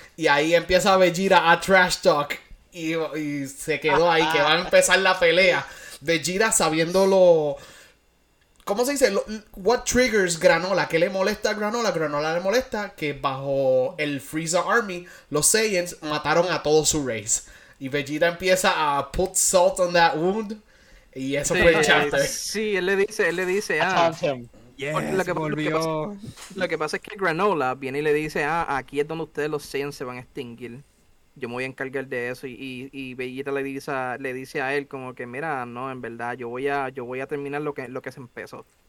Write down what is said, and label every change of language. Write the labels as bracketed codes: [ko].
[es] Y ahí empieza Vegeta a trash talk. Y se quedó ahí, que va a empezar la pelea. Vegeta sabiendo lo... ¿Cómo se dice? [en] What triggers Granola? [es] ¿Qué le molesta a Granola? Granola le molesta que bajo el Frieza Army, los Saiyans mataron a todo su race. Y Vegeta empieza a [en] put salt on that wound. [es] Y eso fue el chapter. Sí, él le dice... Ah, yes, lo que pasa es que Granola viene y le dice, ah, aquí es donde ustedes los Saiyans se van a extinguir. Yo me voy a encargar de eso y Vegeta le dice a él como que mira, no, en verdad yo voy a terminar lo que se empezó.